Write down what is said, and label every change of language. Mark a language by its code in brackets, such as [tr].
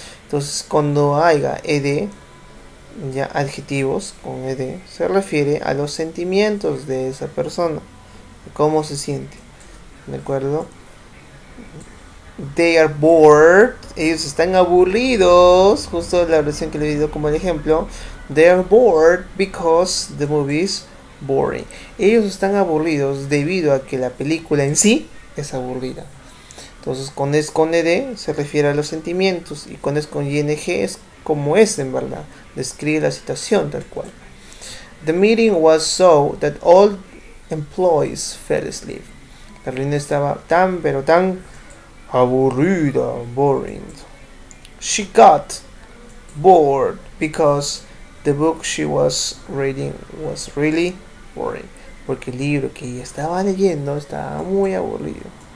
[es] Entonces, cuando haya ED, ya adjetivos con ED, se refiere a los sentimientos de esa persona, cómo se siente. ¿De acuerdo? [en] They are bored. [es] Ellos están aburridos. Justo la versión que le he dado como el ejemplo. [en] They are bored because the movie is boring. [es] Ellos están aburridos debido a que la película en sí es aburrida. Entonces, cuando es con ED se refiere a los sentimientos. Y cuando es con ING es como es en verdad. Describe la situación tal cual. [en] The meeting was so that all employees fell asleep. [es] La reunión estaba tan, pero tan aburrida, boring. [en] She got bored because the book she was reading was really boring. [es] Porque el libro que ella estaba leyendo estaba muy aburrido.